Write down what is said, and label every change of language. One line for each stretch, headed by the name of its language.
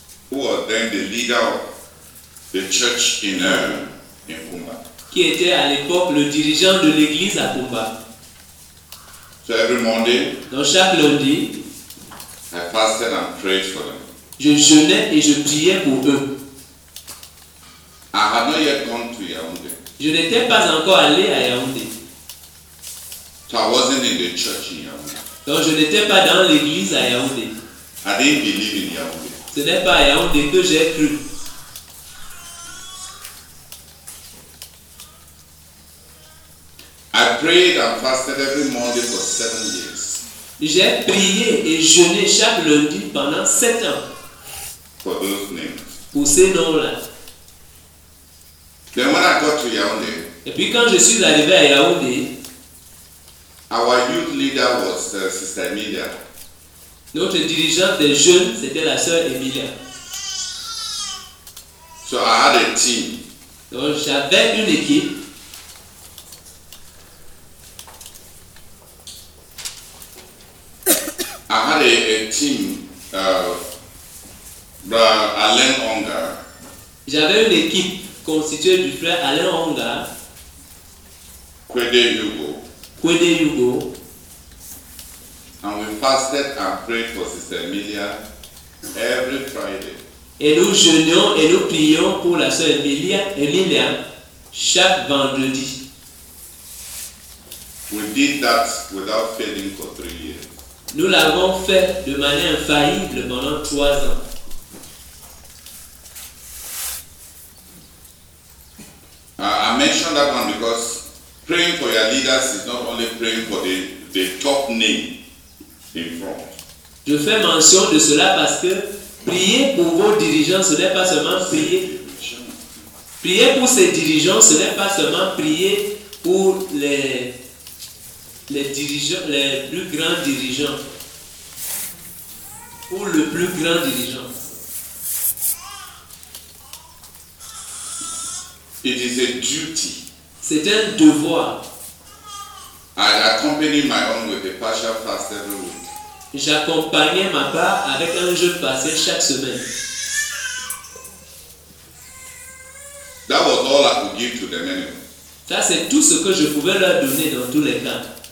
English: Who was then the leader of the church in Kumba.
French: Qui était à l'époque le dirigeant de l'église à Kumba.
English: So every Monday.
French: Donc chaque lundi.
English: I fasted and prayed for them.
French: Je jeûnais et je priais pour eux.
English: I had not yet gone to Yaoundé.
French: Je n'étais pas encore allé à Yaoundé.
English: So I wasn't in the church in Yaoundé.
French: Donc je n'étais pas dans l'église à Yaoundé.
English: I didn't believe in Yaoundé.
French: Ce n'est pas à Yaoundé que j'ai cru.
English: I prayed and fasted every Monday for 7 years.
French: J'ai prié et jeûné chaque lundi pendant 7 ans.
English: For those names.
French: Pour ces noms-là.
English: Then when I got to Yaoundé,
French: et puis quand je suis arrivé à Yaoundé,
English: our youth leader was Sister Emilia.
French: Notre dirigeante des jeunes, c'était la sœur Emilia.
English: So I had a team.
French: Donc j'avais une équipe.
English: I had a team, Alain Onga.
French: J'avais une équipe constituée du frère Alain Onga.
English: Kwede Hugo.
French: Kwede Hugo.
English: And we fasted and prayed for Sister Emilia every Friday.
French: Et nous jeûnions et nous prions pour la sœur Emilia chaque vendredi.
English: We did that without failing for 3 years.
French: Nous l'avons fait de manière infaillible pendant 3 ans.
English: I mentioned that one because praying for your leaders is not only praying for the top name in front.
French: Je fais mention de cela parce que prier pour vos dirigeants, ce n'est pas seulement prier. Prier pour ces dirigeants, ce n'est pas seulement prier pour les dirigeants, les plus grands dirigeants. Pour le plus grand dirigeant.
English: It is a duty.
French: C'est un devoir.
English: I accompany my own with a partial fast every week.
French: J'accompagnais ma part avec un jeûne passé chaque semaine.
English: That was all I could give to them anyway.
French: Ça, c'est tout ce que je pouvais leur donner dans tous les cas.